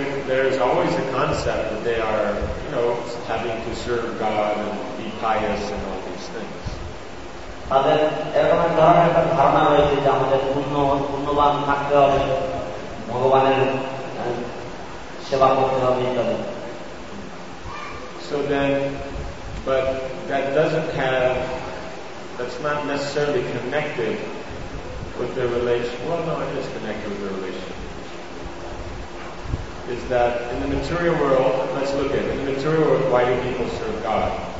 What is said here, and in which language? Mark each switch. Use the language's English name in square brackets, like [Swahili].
[English] There is always a concept that they are, you know, having to serve God and be pious and all these things. [Bangla] তাদের এরকম ধরনের একটা ধারণা রয়েছে যে আমাদের পুণ্যবান থাকতে হবে, ভগবানের সেবা করতে হবে ইত্যাদি। [English] So then, but that doesn't have, that's not necessarily connected with their relation. Well, no, it is connected with their relation. Is that in the material world, let's look at it. In the material world, why do people serve God?